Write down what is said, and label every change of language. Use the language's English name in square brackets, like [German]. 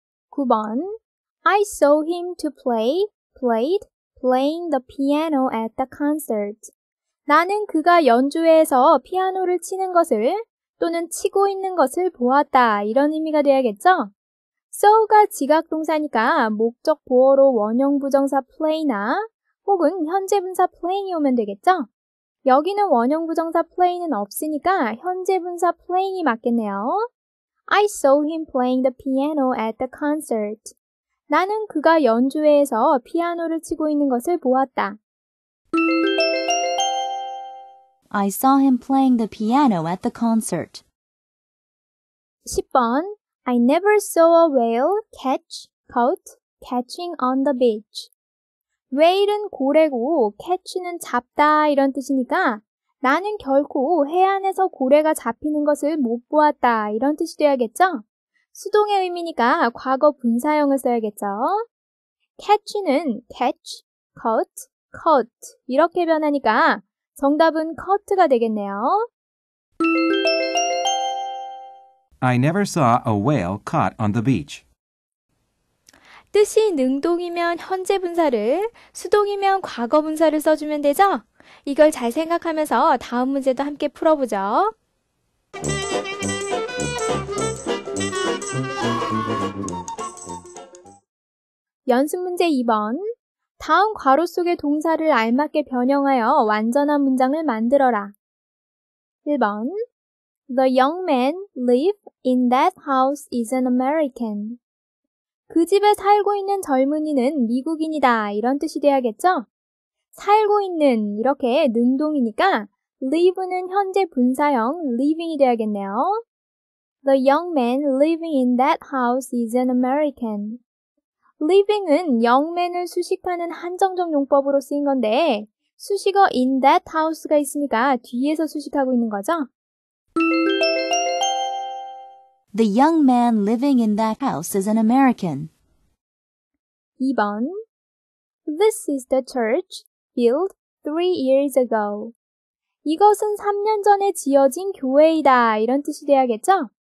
[English] 9번 I saw him to playing the piano at the concert. [Korean] 나는 그가 연주회에서 피아노를 치는 것을 또는 치고 있는 것을 보았다. 이런 의미가 되야겠죠? so가 지각동사니까 목적 보어로 원형 부정사 play나 혹은 현재 분사 playing이 오면 되겠죠? 여기는 원형 부정사 play는 없으니까 현재 분사 playing이 맞겠네요. [English] I saw him playing the piano at the concert. [Korean] 나는 그가 연주회에서 피아노를 치고 있는 것을 보았다. [English] I saw him playing the piano at the concert. 10번 I never saw a whale catching on the beach. [Korean] Whale은 고래고 catch는 잡다 이런 뜻이니까 나는 결코 해안에서 고래가 잡히는 것을 못 보았다 이런 뜻이 되야겠죠? 수동의 의미니까 과거 분사형을 써야겠죠? catch는 catch, cut, caught 이렇게 변하니까 정답은 cut가 되겠네요. [English] I never saw a whale caught on the beach. [Korean] 뜻이 능동이면 현재 분사를, 수동이면 과거 분사를 써주면 되죠? 이걸 잘 생각하면서 다음 문제도 함께 풀어보죠. 연습 문제 2번 다음 괄호 속의 동사를 알맞게 변형하여 완전한 문장을 만들어라. [English] 1번 The young man live in that house is an American. [Korean] 그 집에 살고 있는 젊은이는 미국인이다. 이런 뜻이 돼야겠죠? 살고 있는 이렇게 능동이니까 live는 현재 분사형 living이 돼야겠네요. [English] The young man living in that house is an American. [Korean] living은 young man을 수식하는 한정적 용법으로 쓰인 건데 수식어 in that house가 있으니까 뒤에서 수식하고 있는 거죠. [English] The young man living in that house is an American. 2번 This is the church built 3 years ago. [Korean] 이것은 3년 전에 지어진 교회이다 이런 뜻이 돼야겠죠?